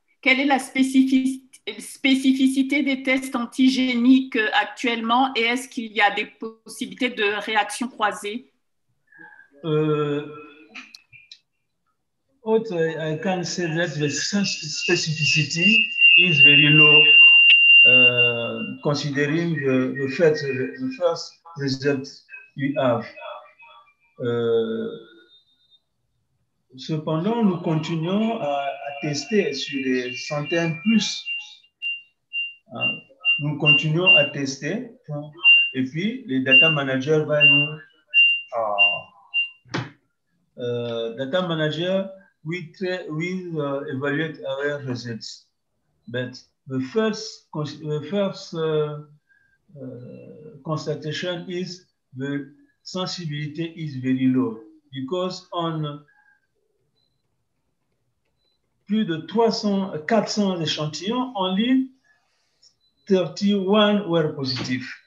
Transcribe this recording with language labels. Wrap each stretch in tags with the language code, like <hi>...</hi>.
<fr>Quelle est la spécificité des tests antigéniques actuellement et est-ce qu'il y a des possibilités de réactions croisées?</fr> <en>I can say that the specificity is very low, considering the first result we have.</en> <fr>Cependant, nous continuons à tester sur des centaines plus. Nous continuons à tester, et puis les data managers vont nous.</fr> <en>Data manager will evaluate our results, but the first constatation is the sensibility is very low because on</en> <fr>plus de 400 échantillons,</fr> <en>only 31 were positive.</en>